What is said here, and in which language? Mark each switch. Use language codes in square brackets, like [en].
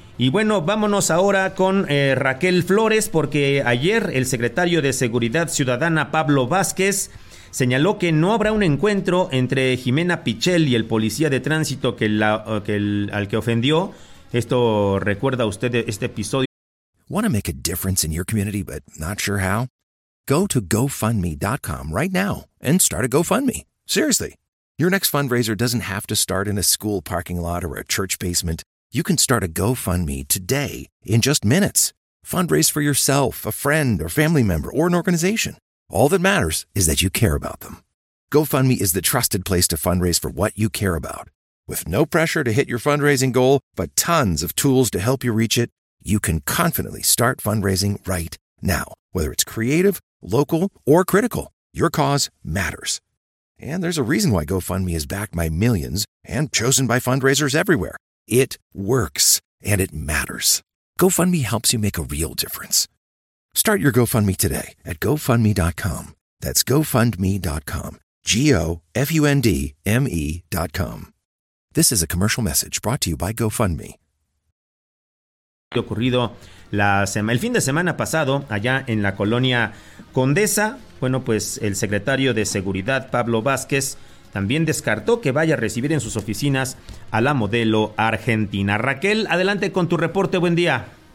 [es] Y bueno, vámonos ahora con Raquel Flores, porque ayer el secretario de Seguridad Ciudadana, Pablo Vázquez, señaló que no habrá un encuentro entre Jimena Pichel y el policía de tránsito al que ofendió. Esto recuerda usted este episodio. [en] Want to make a difference in your community, but not sure how? Go to GoFundMe.com right now and start a GoFundMe. Seriously, your next fundraiser doesn't have to start in a school parking lot or a church basement. You can start a GoFundMe today in just minutes. Fundraise for yourself, a friend, or family member, or an organization. All that matters is that you care about them. GoFundMe is the trusted place to fundraise for what you care about. With no pressure to hit your fundraising goal, but tons of tools to help you reach it, you can confidently start fundraising right now. Whether it's creative, local, or critical, your cause matters. And there's a reason why GoFundMe is backed by millions and chosen by fundraisers everywhere. It works, and it matters. GoFundMe helps you make a real difference. Start your GoFundMe today at GoFundMe.com. That's GoFundMe.com. GoFundMe.com. This is a commercial message brought to you by GoFundMe. [es] Ocurrido el fin de semana pasado allá en la colonia Condesa. Bueno, pues el secretario de Seguridad, Pablo Vázquez, también descartó que vaya a recibir en sus oficinas a la modelo argentina. Raquel, adelante con tu reporte. Buen día.